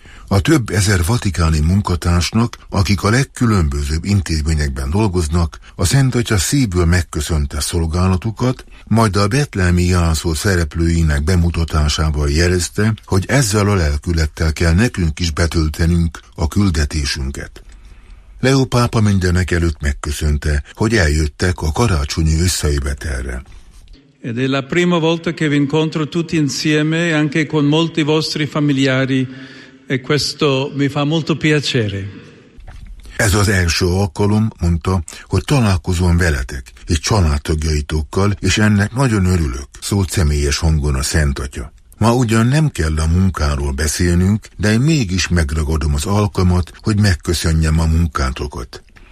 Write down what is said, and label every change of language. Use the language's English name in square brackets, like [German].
[Hungarian] A több ezer vatikáni munkatársnak, akik a legkülönbözőbb intézményekben dolgoznak, a Szentatya szívből megköszönte szolgálatukat, majd a betlehemi jászol szereplőinek bemutatásával jelezte, hogy ezzel a lelkülettel kell nekünk is betöltenünk a küldetésünket. Leó pápa mindenek előtt megköszönte, hogy eljöttek a karácsonyi összejövetelre. [Italian] Ed è la prima volta che vi incontro tutti insieme anche con molti vostri familiari e questo mi fa molto piacere. [Hungarian] Ez az első alkalom, mondta, hogy találkozom veletek és családtagjaitokkal, és ennek nagyon örülök, szólt személyes hangon a Szentatya. Ma ugyan nem kell a munkáról beszélnünk, de én mégis megragadom az alkalmat, hogy megköszönjem a munkátokat.